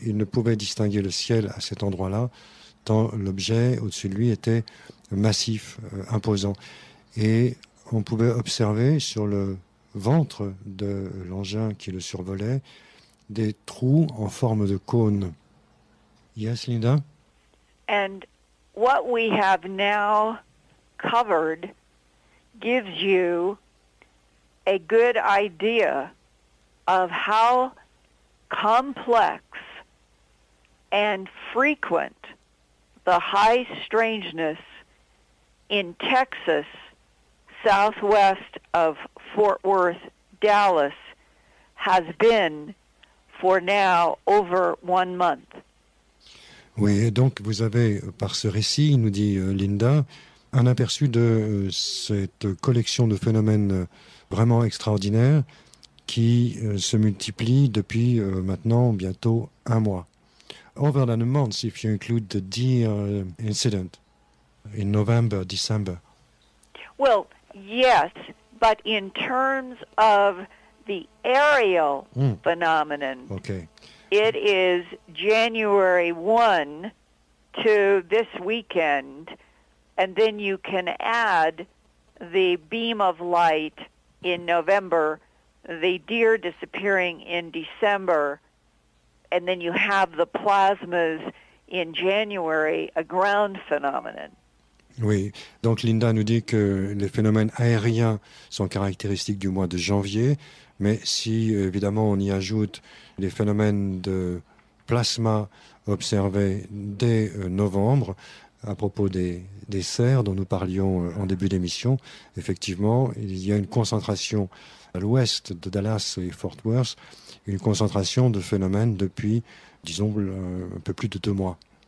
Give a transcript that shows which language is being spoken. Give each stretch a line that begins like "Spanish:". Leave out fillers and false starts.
French: Il ne pouvait distinguer le ciel à cet endroit-là, tant l'objet au-dessus de lui était massif, imposant. Et on pouvait observer sur le ventre de l'engin qui le survolait des trous en forme de cône.
English: Yes, Linda? And what we have now covered gives you a good idea of how complex and frequent the high strangeness in Texas, southwest of Fort Worth, Dallas, has been for now over 1 month.
French: Oui, et donc vous avez, par ce récit, nous dit Linda, un aperçu de cette collection de phénomènes vraiment extraordinaires qui se multiplient depuis maintenant bientôt un mois.
English: Over than a month, if you include the deer incident in November, December. Well, yes, but in terms of the aerial phenomenon, okay, it is January 1 to this weekend, and then you can add the beam of light in November, the deer disappearing in December, and then you have the plasmas in January, a ground phenomenon.
French: Oui, donc Linda nous dit que les phénomènes aériens sont caractéristiques du mois de janvier, mais si évidemment on y ajoute les phénomènes de plasma observés dès novembre, à propos des cerfs dont nous parlions en début d'émission, effectivement, il y a une concentration à l'ouest de Dallas et Fort Worth, une concentration de phénomènes depuis, disons, un peu plus de 2 mois.